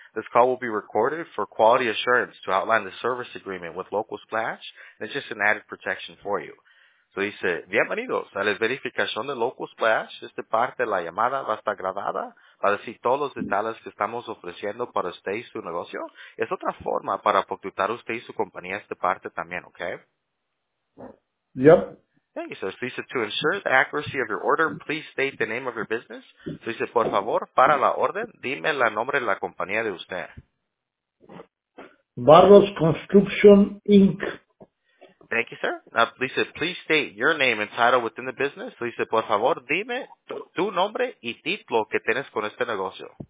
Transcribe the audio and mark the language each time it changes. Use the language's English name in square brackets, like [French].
[English] This call will be recorded for quality assurance to outline the service agreement with Local Splash. It's just an added protection for you. [Spanish] So dice, bienvenidos a la verificación de Local Splash. Esta parte de la llamada va a estar grabada para decir todos los detalles que estamos ofreciendo para usted y su negocio. Es otra forma para facturar usted y su compañía esta parte también, ¿ok? [English] Yep. Thank you, sir. So [Spanish] dice, [English] to ensure the accuracy of your order, please state the name of your business. [Spanish] So dice, por favor, para la orden, dime el nombre de la compañía de usted. [English] Barros Construction Inc. Thank you, sir. [Spanish] Dice, [English] please state your name and title within the business. [Spanish] So dice, por favor, dime tu nombre y título que tienes con este negocio.